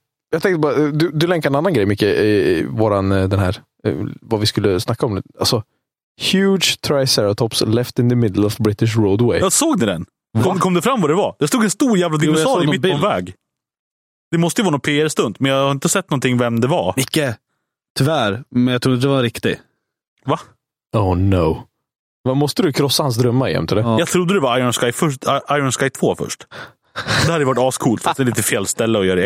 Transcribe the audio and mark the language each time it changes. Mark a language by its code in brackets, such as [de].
[sv] Jag tänkte bara, du länkar en annan grej, Micke, i våran, den här, vad vi skulle snacka om. Alltså, [en] huge triceratops left in the middle of British roadway. [sv] Jag såg den. Kom det fram vad det var? Det stod en stor jävla dinosaurie mitt på väg. Det måste ju vara någon PR-stunt, men jag har inte sett någonting vem det var. Micke! Tyvärr, men jag tror inte det var riktigt. Va? [en] Oh no. [sv] Vad måste du krossa hans drömmar igen till det? Jag trodde det var Iron Sky 2 först. Det hade varit ascoolt, fast det är lite fel ställe att göra det.